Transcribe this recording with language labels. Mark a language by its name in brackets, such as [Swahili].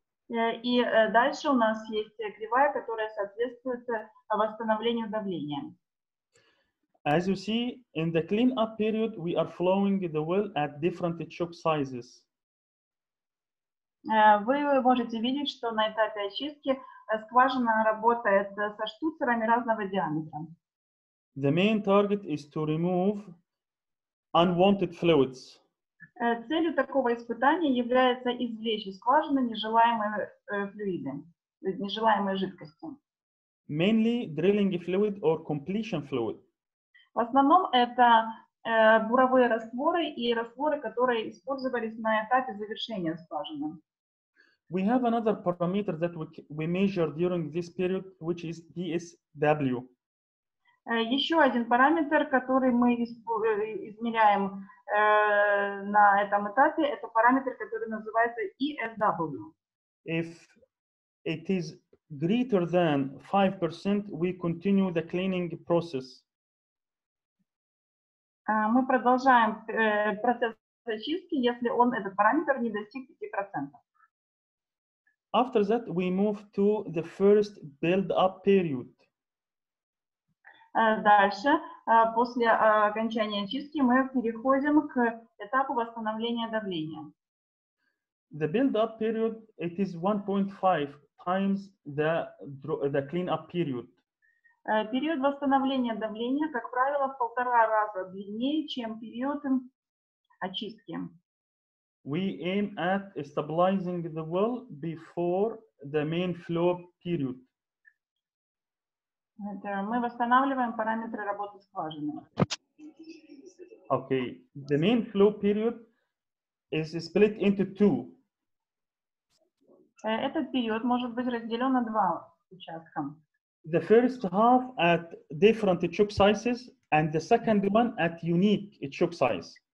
[Russian] И дальше у нас есть кривая, которая соответствует восстановлению давления. [English] As you see, in the clean-up period, we are flowing the well at different choke sizes. [Russian] Вы можете видеть, что на этапе очистки скважина работает со штуцерами разного диаметра. [English] The main target is to remove unwanted fluids. [Russian] Целью такого испытания является извлечь из скважины нежелаемые флюиды, нежелаемые жидкости. [English] Mainly drilling fluid or completion fluid. [Russian] В основном это буровые растворы и растворы, которые использовались на этапе завершения скважины. [English] We have another parameter that we measure during this period, which is DSW. [Russian] Еще один параметр, который мы измеряем на этом этапе, это параметр, который называется ESW. [English] If it is greater than 5%, we continue the cleaning process. [Russian] Мы продолжаем процесс очистки, если он, этот параметр, не достиг 5%. [English] After that, we move to the first build-up period. [Russian] Дальше, после окончания очистки, мы переходим к этапу восстановления давления. [English] The build-up period, it is 1.5 times the clean-up period. [Russian] Период восстановления давления, как правило, в полтора раза длиннее, чем период очистки. [English] We aim at stabilizing the well before the main flow period. [Russian] Мы восстанавливаем параметры работы скважины. [English] Okay, the main flow period is split into two. [Russian] Этот период может быть разделен на два участка. [English] The first half at different choke sizes and the second one at unique choke size.